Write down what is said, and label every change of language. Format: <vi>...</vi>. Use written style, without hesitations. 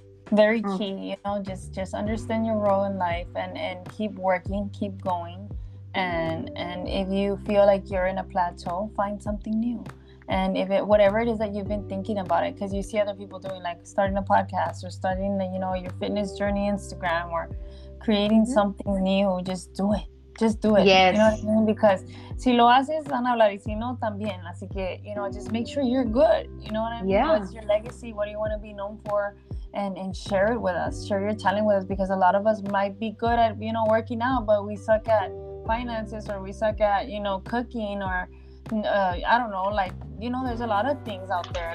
<en>Very key, you know, just understand your role in life and keep working, keep going, and if you feel like you're in a plateau, find something new, and if it, whatever it is that you've been thinking about it, because you see other people doing, like starting a podcast or starting the, you know, your fitness journey Instagram or creating something new, just do it. Yes. You know what I mean?</en> <es>Because si lo haces, van a hablar, y si no, también. Así que,</es> <en>you know, just make sure you're good. You know what I mean? Yeah. What's your legacy? What do you want to be known for? And share it with us. Share your talent with us, because a lot of us might be good at, you know, working out, but we suck at finances, or we suck at, you know, cooking, or I don't know, like, you know, there's a lot of things out there.</en>